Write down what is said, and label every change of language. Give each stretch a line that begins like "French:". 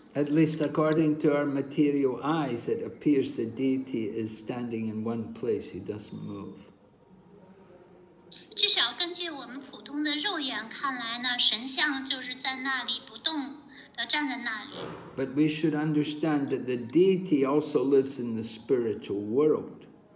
English: At least according to our material eyes, it appears the deity is standing in one place, he doesn't move.
Chinese: 至少根据我们普通的肉眼看来呢，神像就是在那里不动的站在那里。
English: But we should understand that the deity also lives in the spiritual world.